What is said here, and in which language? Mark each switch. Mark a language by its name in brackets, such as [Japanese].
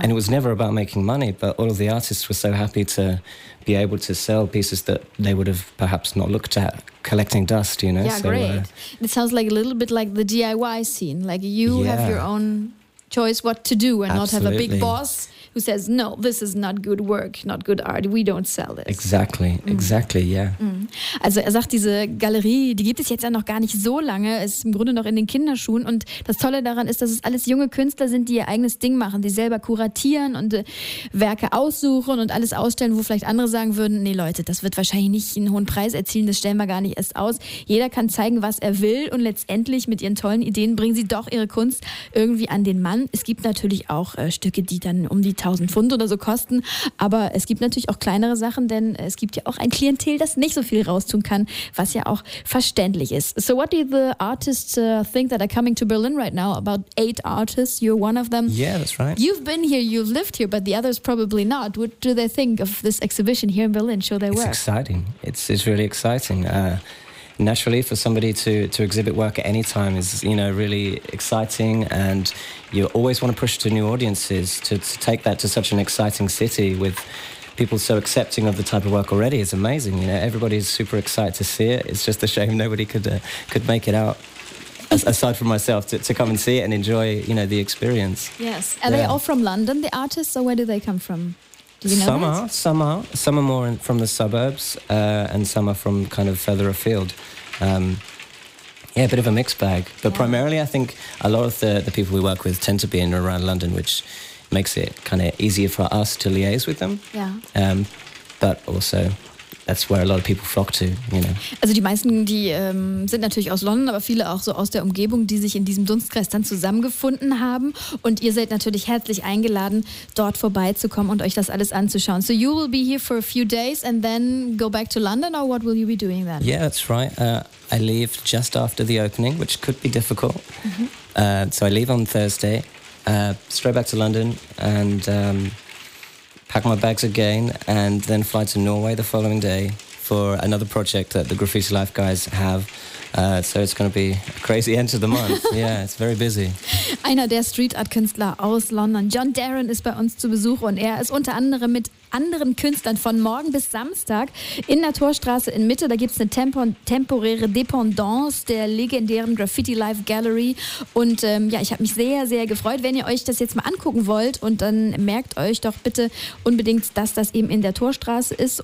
[English] And it was never about making money, but all of the artists were so happy to be able to sell pieces that they would have perhaps not looked at collecting dust, you know? Yeah, so, great. It sounds like a little bit like the DIY scene, like you have your own choice what to do and absolutely. Not have a big boss who says, no, this is not good work, not good art, we don't sell this. Exactly, exactly, yeah. [German] Also er sagt, diese Galerie, die gibt es jetzt ja noch gar nicht so lange, ist im Grunde noch in den Kinderschuhen und das Tolle daran ist, dass es alles junge Künstler sind, die ihr eigenes Ding machen, die selber kuratieren und Werke aussuchen und alles ausstellen, wo vielleicht andere sagen würden, nee Leute, das wird wahrscheinlich nicht einen hohen Preis erzielen, das stellen wir gar nicht erst aus. Jeder kann zeigen, was er will und letztendlich mit ihren tollen Ideen bringen sie doch ihre Kunst irgendwie an den Mann. Es gibt natürlich auch Stücke, die dann um die 1000 Pfund oder so kosten, aber es gibt natürlich auch kleinere Sachen, denn es gibt ja auch ein Klientel, das nicht so viel raustun kann, was ja auch verständlich ist. [English] So what do the artists think that are coming to Berlin right now? About 8 artists, you're one of them. Yeah, that's right. You've been here, you've lived here, but the others probably not. What do they think of this exhibition here in Berlin? Show their it's work. It's exciting. It's really exciting. Naturally, for somebody to exhibit work at any time is, you know, really exciting, and you always want to push to new audiences to take that to such an exciting city with people so accepting of the type of work already is amazing. You know, everybody's super excited to see it. It's just a shame nobody could make it out, aside from myself, to come and see it and enjoy, you know, the experience. Yes. Are they all from London, the artists, or where do they come from? Some are more from the suburbs, and some are from kind of further afield. A bit of a mixed bag. But primarily, I think a lot of the people we work with tend to be in around London, which makes it kind of easier for us to liaise with them. Yeah. But also, that's where a lot of people flock to, you know. [German] Also die meisten, die sind natürlich aus London, aber viele auch so aus der Umgebung, die sich in diesem Dunstkreis dann zusammengefunden haben. Und ihr seid natürlich herzlich eingeladen, dort vorbeizukommen und euch das alles anzuschauen. [English] So you will be here for a few days and then go back to London, or what will you be doing then? Yeah, that's right. I leave just after the opening, which could be difficult. Mm-hmm. So I leave on Thursday, straight back to London and pack my bags again, and then fly to Norway the following day for another project that the Graffiti Life guys have. So it's going to be a crazy end of the month. Yeah, it's very busy. [German] Einer der Street Art Künstler aus London, John Darren, ist bei uns zu Besuch und er ist unter anderem mit anderen Künstlern von morgen bis Samstag in der Torstraße in Mitte. Da gibt es eine temporäre Dependance der legendären Graffiti Life Gallery. Und ja, ich habe mich sehr, sehr gefreut. Wenn ihr euch das jetzt mal angucken wollt, und dann merkt euch doch bitte unbedingt, dass das eben in der Torstraße ist.